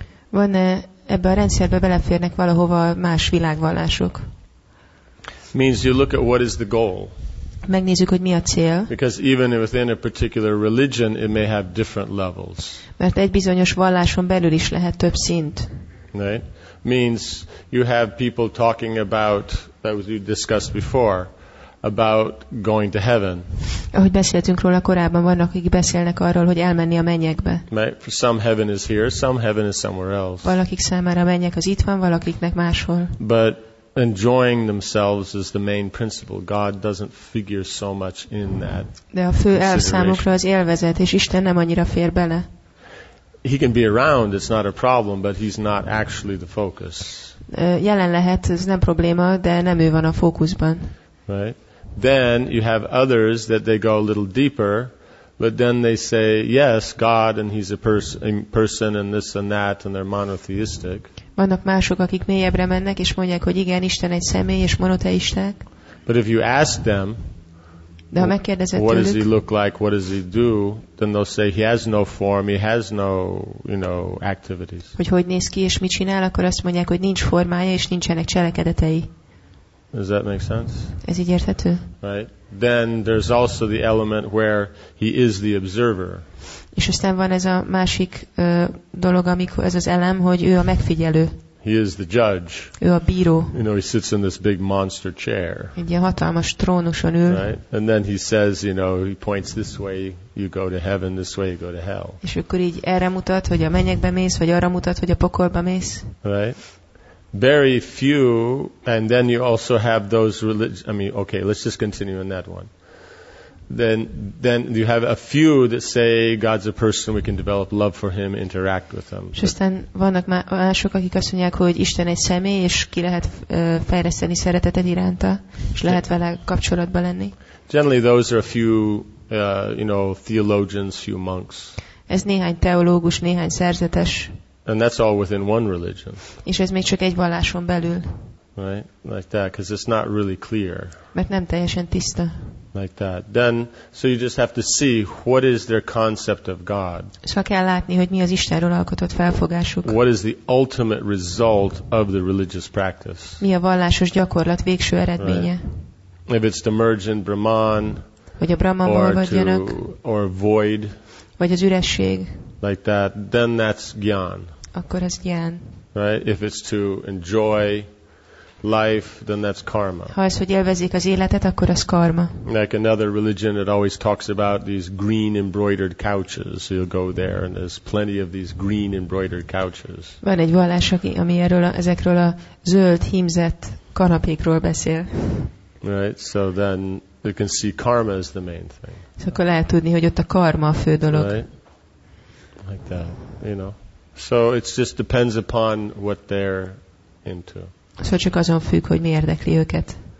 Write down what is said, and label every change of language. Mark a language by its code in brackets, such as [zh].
[hu] Van-e ebbe a rendszerbe beleférnek valahova más világvallások? [en] Means you look at what is the goal. [hu] Megnézzük, hogy mi a cél. [en] Because even within a particular religion, it may have different levels. [hu] Mert egy bizonyos valláson belül is lehet több szint. [en] Right? Means you have people talking about, that was you discussed before, about going to heaven. [hu] Ahogy beszéltünk róla korábban, vannak, akik beszélnek arról, hogy elmenni a mennyekbe. [en] Right? For some heaven is here, some heaven is somewhere else. [hu] Valakik számára a mennyek az itt van, valakiknek máshol. [en] But enjoying themselves is the main principle. God doesn't figure so much in that. [hu] De a fő elv számukra az élvezet, és Isten nem annyira fér bele. [en] He can be around, it's not a problem, but he's not actually the focus. [hu] Jelen lehet, ez nem probléma, de nem ő van a fókuszban. [en] Right? Then you have others that they go a little deeper, but then they say, yes, God, and he's a person, and this and that, and they're monotheistic. [hu] Vannak mások, akik mélyebbre mennek, és mondják, hogy igen, Isten egy személy, és monoteisták. [en] But if you ask them, [hu] de ha megkérdezed [en] what [hu] tőlük, [en] does he look like, what does he do, then they'll say he has no form, he has no, you know, activities. [hu] Hogy néz ki, és mit csinál, akkor azt mondják, hogy nincs formája, és nincsenek cselekedetei. [en] Does that make sense? [hu] Ez így érthető? [en] Right. Then there's also the element where he is the observer. [hu] És aztán van ez a másik dolog, amikor ez az elem, hogy ő a megfigyelő. [en] He is the judge. [hu] Ő a bíró. [en] You know, he sits in this big monster chair. [hu] Egy ilyen hatalmas trónuson ül. [en] Right? And then he says, you know, he points this way, you go to heaven, this way you go to hell. [hu] És akkor így erre mutat, hogy a mennyekbe mész, vagy arra mutat, hogy a pokolba mész. [en] Right. Very few, and then you also have those religious, I mean, okay, let's just continue in that one. Then you have a few that say God's a person, we can develop love for him, interact with him. [hu] És aztán vannak mások, akik azt mondják, hogy Isten egy személy, és ki lehet fejleszteni szeretetet iránta, és lehet vele kapcsolatban lenni. [en] Generally those are a few, you know, theologians, few monks. [hu] Ez néhány teológus, néhány szerzetes. [en] And that's all within one religion. [hu] És ez még csak egy valláson belül. [en] Right? Like that, because it's not really clear. [hu] Mert nem teljesen tiszta. [en] Like that. Then, so you just have to see what is their concept of God. [hu] Szóval kell látni, hogy mi az Istenről alkotott felfogásuk. [en] What is the ultimate result of the religious practice? [hu] Mi a vallásos gyakorlat végső eredménye? [en] Right. If it's to merge in Brahman, [hu] vagy a Brahmanból vagyjanak, [en] or void, [hu] vagy az üresség, [en] like that, then that's gyan. [hu] Akkor ez gyan. [en] Right? If it's to enjoy life, then that's karma. [hu] Ha ez, hogy élvezik az életet, akkor az karma. [en] Like another religion, it always talks about these green embroidered couches. So you'll go there, and there's plenty of these green embroidered couches. [hu] Van egy vallás, ami erről ezekről a zöld hímzett kanapékról beszél. [en] Right. So then you can see karma is the main thing. [hu] So akkor lehet tudni, hogy ott a karma a fő dolog. [en] Right. Like that, you know. So it just depends upon what they're into. [hu] Szóval csak azon függ, hogy mi érdekli őket.